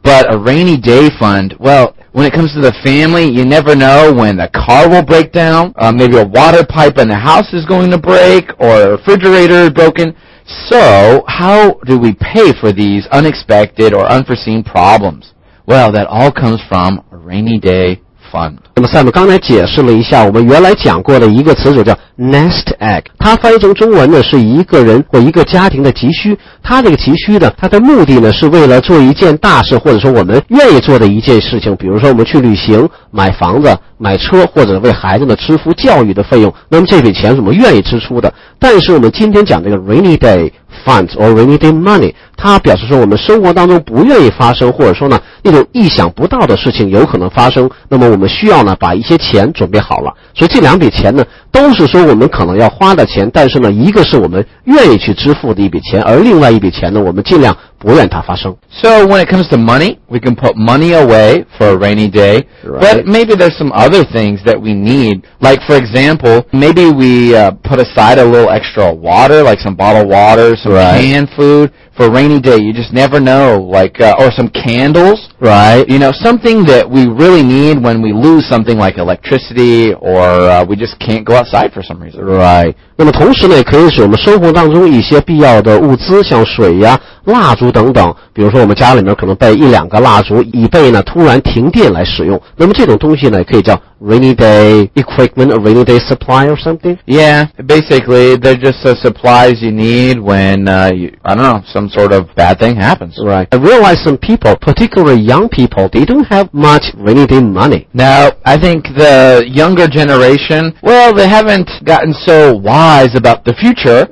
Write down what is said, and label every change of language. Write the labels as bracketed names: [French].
[English] But a rainy day fund, well, when it comes to the family, you never know when the car will break down, maybe a water pipe in the house is going to break, or a refrigerator is broken. So, how do we pay for these unexpected or unforeseen problems? Well, that all comes from a rainy day fund. [Chinese] 那么 Sam 刚才解释了一下我们原来讲过的一个词组叫 nest egg， 它翻译成中文呢是一个人或一个家庭的急需。它这个急需呢，它的目的呢是为了做一件大事，或者说我们愿意做的一件事情，比如说我们去旅行、买房子、买车，或者为孩子的支付教育的费用。那么这笔钱是我们愿意支出的。但是我们今天讲这个 [English] rainy day funds or rainy day money， [Chinese] 它表示说我们生活当中不愿意发生，或者说呢那种意想不到的事情有可能发生，那么我们需要呢把一些钱准备好了。所以这两笔钱呢都是说我们可能要花的钱，但是呢一个是我们愿意去支付的一笔钱，而另外一笔钱呢我们尽量不愿它发生。 [English] So when it comes to money, we can put money away for a rainy day, right. But maybe there's some other things that we need. Like for example, maybe we put aside a little extra water, like some bottled water, some canned food for a rainy day. You just never know, like, or some candles. Right. You know, something that we really need when we lose something like electricity or we just can't go outside for some reason. Right. [Chinese] 那么同时呢，也可以使我们生活当中一些必要的物资，像水呀、蜡烛等等。比如说，我们家里面可能备一两个蜡烛，以备呢突然停电来使用。那么这种东西呢，也可以叫 [English] rainy day equipment, or rainy day supply or something. Yeah, basically, they're just the supplies you need when some sort of bad thing happens. Right. I realize some people, particularly young people, they don't have much rainy day money. Now, I think the younger generation, well, they haven't gotten so wise about the future,